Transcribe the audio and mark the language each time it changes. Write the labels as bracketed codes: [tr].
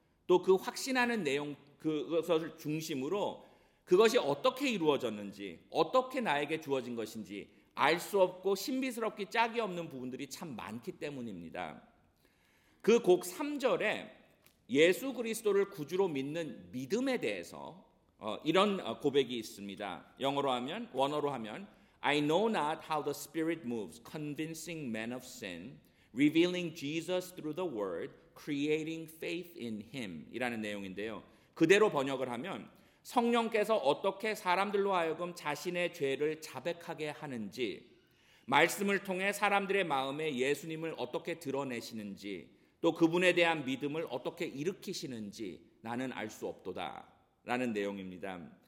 [ko] 또 그 확신하는 내용 그것을 중심으로 그것이 어떻게 이루어졌는지 어떻게 나에게 주어진 것인지 알 수 없고 신비스럽기 짝이 없는 부분들이 참 많기 때문입니다. 그 곡 3절에 예수 그리스도를 구주로 믿는 믿음에 대해서 이런 고백이 있습니다. 영어로 하면, 원어로 하면 [en] I know not how the Spirit moves, convincing men of sin, revealing Jesus through the word, creating faith in him [ko] 이라는 내용인데요. 그대로 번역을 하면 성령께서 어떻게 사람들로 하여금 자신의 죄를 자백하게 하는지, 말씀을 통해 사람들의 마음에 예수님을 어떻게 드러내시는지, 또 그분에 대한 믿음을 어떻게 일으키시는지 나는 알 수 없도다. 라는 내용입니다.